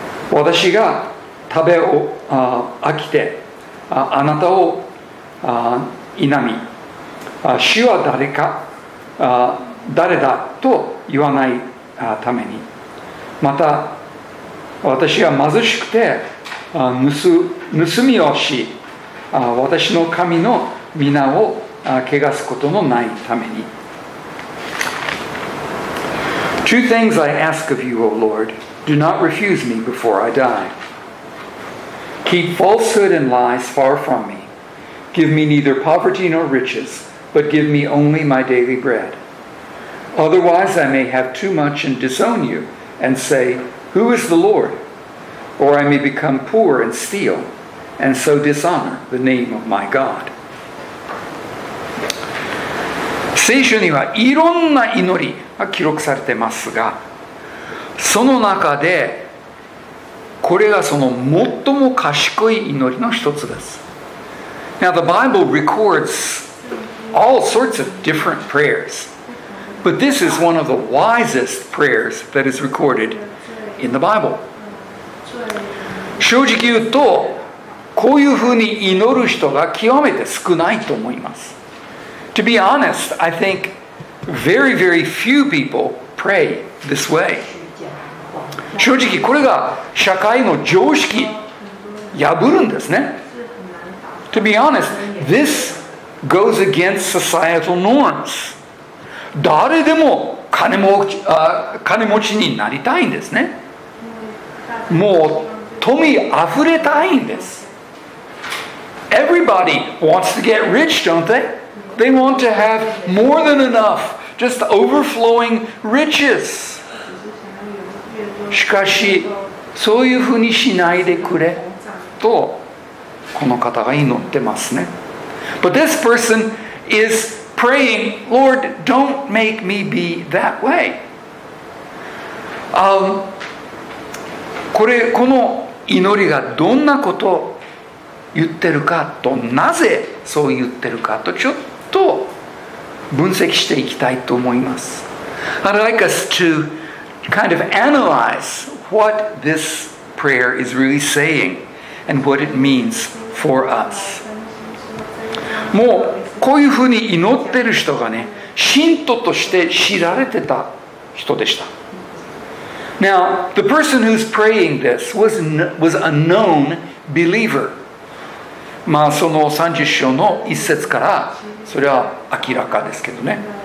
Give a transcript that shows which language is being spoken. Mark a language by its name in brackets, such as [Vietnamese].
[Japanese] 私が食べを飽きてあなたを否み、主は誰だと言わないために、また私が貧しくて盗みをし、私の神の皆を汚すことのないために。 [English] Two things I ask of you, O Lord. Do not refuse me before I die. Keep falsehood and lies far from me. Give me neither poverty nor riches, but give me only my daily bread. Otherwise I may have too much and disown you, and say, Who is the Lord? Or I may become poor and steal, and so dishonor the name of my God. [Japanese] 聖書にはいろんな祈り記録されてますが、その中でこれがその最も賢い祈りの一つです。 [English] Now the Bible records all sorts of different prayers, but this is one of the wisest prayers that is recorded in the Bible. [Japanese] 正直言うとこういうふうに祈る人が極めて少ないと思います。 [English] To be honest, I think very, very few people pray this way. [Japanese] 正直これが社会の常識破るんですね。 [English] To be honest, this goes against societal norms. [Japanese] 誰でも金持ちになりたいんですね。もう富あふれたいんです。 [English] Everybody wants to get rich, don't they? They want to have more than enough, just overflowing riches. [Japanese] しかしそういうふうにしないでくれとこの方が祈ってますね。 [English] But this person is praying, Lord, don't make me be that way. [Japanese] この祈りがどんなことを言ってるかと、なぜそう言ってるかとちょっと分析していきたいと思います。 [English] I'd like us toKind of analyze what this prayer is really saying and what it means for us. [Japanese] もうこういうふうに祈ってる人がね、信徒として知られてた人でした。 [English] Now, the person who's praying this was a known believer. [Japanese] まあその30章の一節からそれは明らかですけどね。